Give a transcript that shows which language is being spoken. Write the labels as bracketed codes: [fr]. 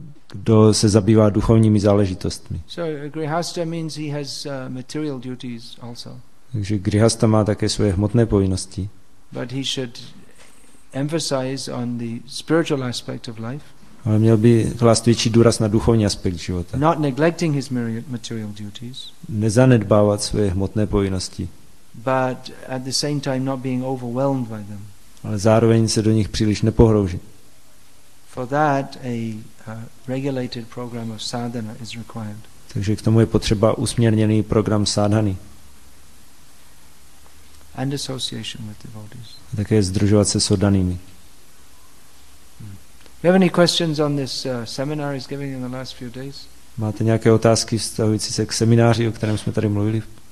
[cs] Kdo se zabývá duchovními záležitostmi. [en] So grihasta means he has material duties also. [cs] Takže grihasta má také svoje hmotné povinnosti. [en] But he should emphasize on the spiritual aspect of life. [cs] Ale měl by klást větší důraz na duchovní aspekt života. [en] Not neglecting his material duties. [cs] Nezanedbávat své hmotné povinnosti. [en] But at the same time not being overwhelmed by them. [cs] Ale zároveň se do nich příliš nepohroužit. [en] For that a regulated program of sadhana is required. [cs] Takže k tomu je potřeba usměrněný program sadhany. [en] and association with devotees. [cs] A také sdružovat se s oddanými. [en] You have any questions on this seminar he's giving in the last few days? [cs] Máte nějaké otázky vztahující se k semináři, o kterém jsme tady mluvili?